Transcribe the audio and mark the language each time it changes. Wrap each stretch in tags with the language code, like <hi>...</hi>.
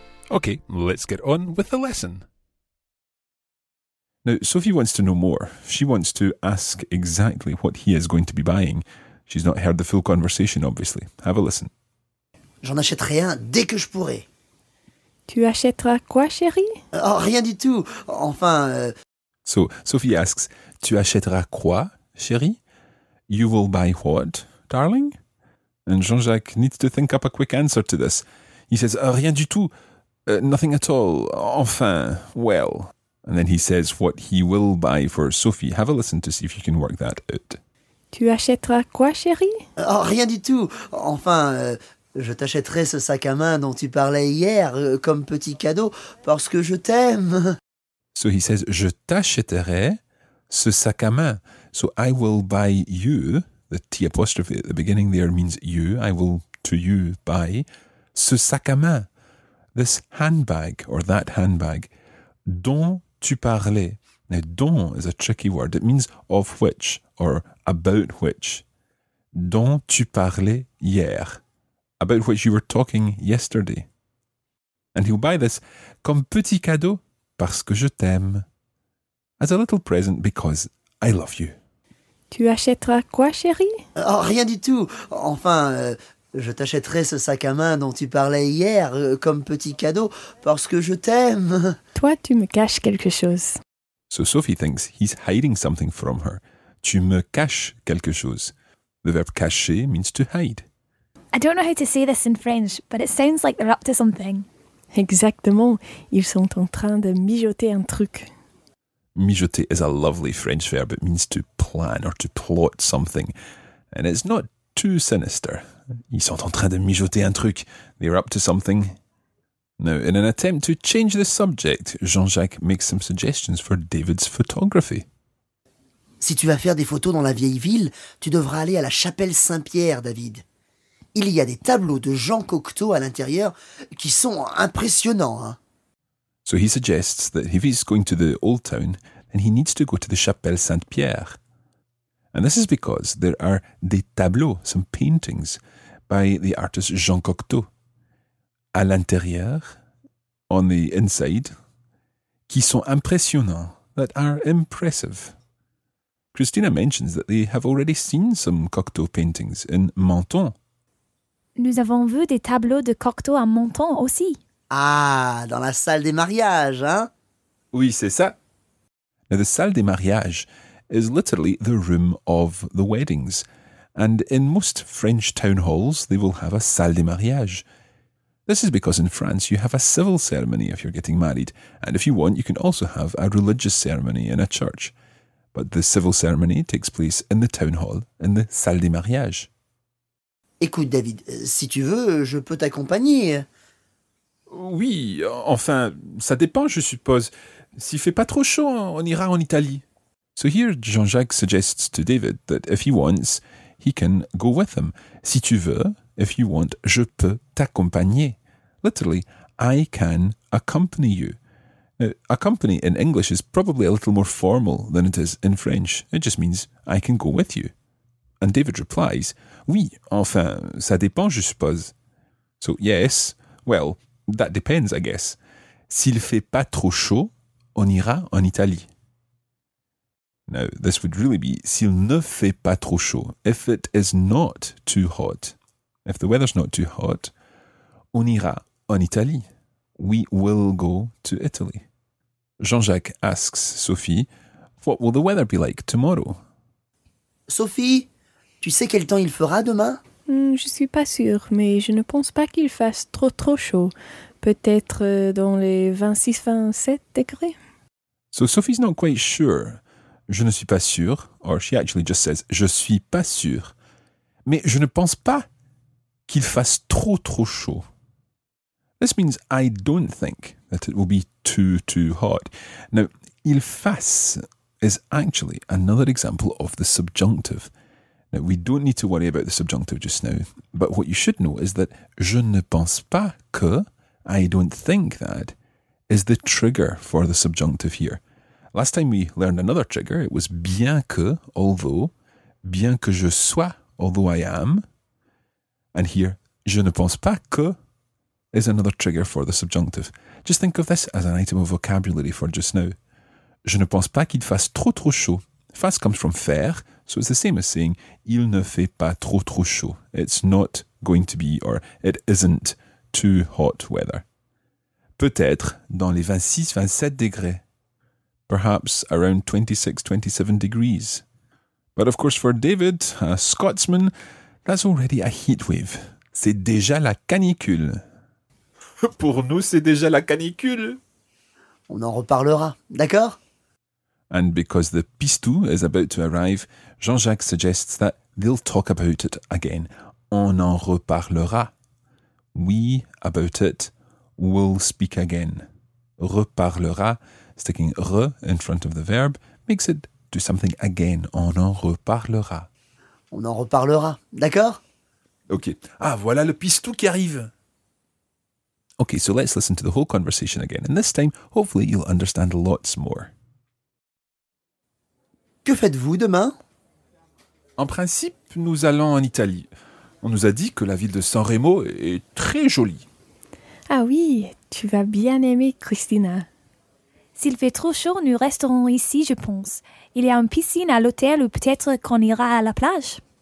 <en>Okay, let's get on with the lesson. Now, Sophie wants to know more. She wants to ask exactly what he is going to be buying. She's not heard the full conversation, obviously. Have a listen.</en> <fr>J'en achèterai un dès que je pourrai. Tu achèteras quoi, chérie? Oh, rien du tout. Enfin...</fr> <en>So, Sophie asks,</en> <fr>tu achèteras quoi, chérie?</fr> <en>You will buy what, darling? And Jean-Jacques needs to think up a quick answer to this. He says,</en> <fr>rien du tout.</fr> <en>Nothing at all. Enfin, well... And then he says what he will buy for Sophie. Have a listen to see if you can work that out.</en> <fr>Tu achèteras quoi, chérie? Oh, rien du tout. Enfin, je t'achèterai ce sac à main dont tu parlais hier comme petit cadeau parce que je t'aime.</fr> <en>So he says,</en> <fr>je t'achèterai ce sac à main.</fr> <en>So I will buy you, the T apostrophe at the beginning there means you, I will to you buy,</en> <fr>ce sac à main,</fr> <en>this handbag or that handbag.</en> <fr>Dont tu parlais.</fr> <en>Now, dont is a tricky word. It means of which or about which.</en> <fr>Dont tu parlais hier.</fr> <en>About which you were talking yesterday. And he'll buy this</en> <fr>comme petit cadeau parce que je t'aime.</fr> <en>As a little present because I love you.</en> <fr>Tu achèteras quoi, chérie? Oh, rien du tout. Enfin, je t'achèterai ce sac à main dont tu parlais hier comme petit cadeau parce que je t'aime. Toi, tu me caches quelque chose.</fr> <en>So Sophie thinks he's hiding something from her.</en> <fr>Tu me caches quelque chose.</fr> <en>The verb cacher means to hide. I don't know how to say this in French, but it sounds like they're up to something.</en> <fr>Exactement. Ils sont en train de mijoter un truc.</fr> <en>Mijoter is a lovely French verb. It means to plan or to plot something. And it's not too sinister.</en> <fr>Ils sont en train de mijoter un truc.</fr> <en>They're up to something. Now, in an attempt to change the subject, Jean-Jacques makes some suggestions for David's photography.</en> <fr>Si tu vas faire des photos dans la vieille ville, tu devras aller à la chapelle Saint-Pierre, David. Il y a des tableaux de Jean Cocteau à l'intérieur qui sont impressionnants. Hein?</fr> <en>So he suggests that if he's going to the old town, then he needs to go to the chapelle Saint-Pierre. And this is because there are des tableaux, some paintings, by the artist Jean Cocteau.</en> <fr>À l'intérieur,</fr> <en>on the inside,</en> <fr>qui sont impressionnants,</fr> <en>that are impressive. Christina mentions that they have already seen some Cocteau paintings in Menton.</en> <fr>Nous avons vu des tableaux de Cocteau à Menton aussi. Ah, dans la salle des mariages, hein? Oui, c'est ça.</fr> <en>Now, the salle des mariages is literally the room of the weddings. And in most French town halls, they will have a salle des mariages. This is because in France, you have a civil ceremony if you're getting married. And if you want, you can also have a religious ceremony in a church. But the civil ceremony takes place in the town hall, in the salle des mariages.</en> <fr>Écoute, David, si tu veux, je peux t'accompagner. Oui, enfin, ça dépend, je suppose. S'il fait pas trop chaud, on ira en Italie.</fr> <en>So here, Jean-Jacques suggests to David that if he wants, he can go with him.</en> <fr>Si tu veux,</fr> <en>if you want,</en> <fr>je peux t'accompagner.</fr> <en>Literally, I can accompany you. Now, accompany in English is probably a little more formal than it is in French. It just means I can go with you. And David replies,</en> <fr>oui, enfin, ça dépend, je suppose.</fr> <en>So, yes, well, that depends, I guess.</en> <fr>S'il fait pas trop chaud, on ira en Italie.</fr> <en>Now, this would really be,</en> <fr>s'il ne fait pas trop chaud,</fr> <en>if it is not too hot. If the weather's not too hot,</en> <fr>on ira en Italie.</fr> <en>We will go to Italy. Jean-Jacques asks Sophie, what will the weather be like tomorrow?</en> <fr>Sophie, tu sais quel temps il fera demain? Je suis pas sûre, mais je ne pense pas qu'il fasse trop chaud. Peut-être dans les 26-27 degrés.</fr> <en>So Sophie's not quite sure.</en> <fr>Je ne suis pas sûre,</fr> <en>or she actually just says,</en> <fr>je suis pas sûre. Mais je ne pense pas qu'il fasse trop chaud.</fr> <en>This means I don't think that it will be too hot. Now, il fasse is actually another example of the subjunctive. Now, we don't need to worry about the subjunctive just now, but what you should know is that</en> <fr>je ne pense pas que,</fr> <en>I don't think that, is the trigger for the subjunctive here. Last time we learned another trigger, it was bien que, although,</en> <fr>bien que je sois,</fr> <en>although I am, and here,</en> <fr>je ne pense pas que,</fr> <en>is another trigger for the subjunctive. Just think of this as an item of vocabulary for just now.</en> <fr>Je ne pense pas qu'il fasse trop chaud.</fr> <en>Fasse comes from faire, so it's the same as saying</en> <fr>il ne fait pas trop chaud.</fr> <en>It's not going to be, or it isn't, too hot weather.</en> <fr>Peut-être dans les 26-27 degrés.</fr> <en>Perhaps around 26-27 degrees. But of course for David, a Scotsman, that's already a heat wave.</en> <fr>C'est déjà la canicule. Pour nous, c'est déjà la canicule. On en reparlera, d'accord?</fr> <en>And because the pistou is about to arrive, Jean-Jacques suggests that they'll talk about it again.</en> <fr>On en reparlera.</fr> <en>We, about it, will speak again. Reparlera, sticking re in front of the verb, makes it do something again.</en> <fr>On en reparlera. On en reparlera, d'accord? Ok. Ah, voilà le pistou qui arrive.</fr> <en>Okay, so let's listen to the whole conversation again, and this time, hopefully, you'll understand lots more.</en> <fr>Que faites-vous demain? En principe, nous allons en Italie. On nous a dit que la ville de San Remo est très jolie. Ah oui, tu vas bien aimer, Christina. S'il fait trop chaud, nous resterons ici, je pense. Il y a une piscine à l'hôtel ou peut-être qu'on ira à la plage.</fr>